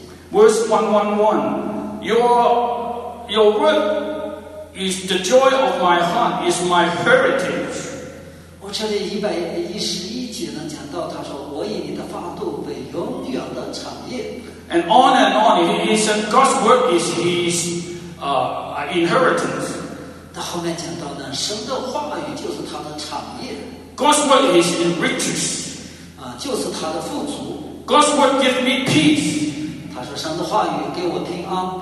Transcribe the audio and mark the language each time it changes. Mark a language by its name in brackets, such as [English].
[English] Verse 111, your word is the joy of my heart, is my heritage. [Chinese] 我这里111节呢讲到，他说我以你的法度为永远的产业。 [English] And on and on, he said God's word is his inheritance. [Chinese] 那后面讲到呢，神的话语就是他的产业。 [English] God's word is his riches. [Chinese] 就是他的富足。 [English] God's word gives me peace. [Chinese] 他说神的话语给我平安。